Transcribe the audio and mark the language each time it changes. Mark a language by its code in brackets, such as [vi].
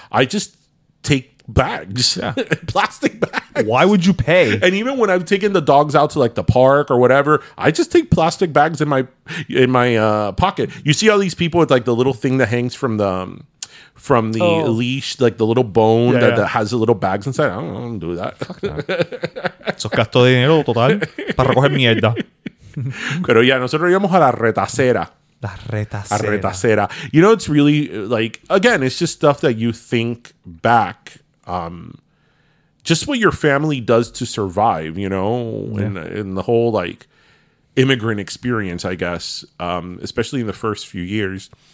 [en] I just take bags, plastic bags. Why would you pay? And even when I've taken the dogs out to like the park or whatever, I just take plastic bags in my pocket. You see all these people with like the little thing that hangs from the leash, like the little bone that has the little bags inside. I don't do that. [es] Eso es gasto de dinero total para coger mierda. Pero ya, nosotros íbamos a la retacera. La retacera. La retacera. [en] You know, it's really, like, again, it's just stuff that you think back. Just what your family does to survive, you know, in the whole, like, immigrant experience, I guess, especially in the first few years.